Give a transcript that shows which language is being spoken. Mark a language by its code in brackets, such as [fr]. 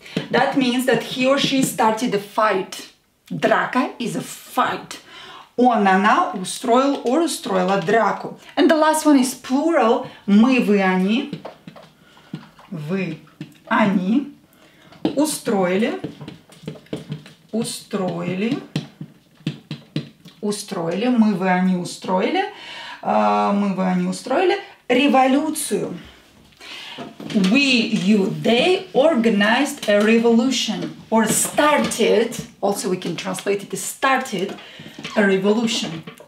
[en] That means that he or she started a fight. Драка is a fight. [ru] Он, она устроил or устроила драку. [en] And the last one is plural. [ru] Мы, вы, они. Вы, они устроили, устроили, устроили. Мы, вы, они устроили. Мы, вы, они устроили революцию. [en] We, you, they organized a revolution or started, also we can translate it, started a revolution.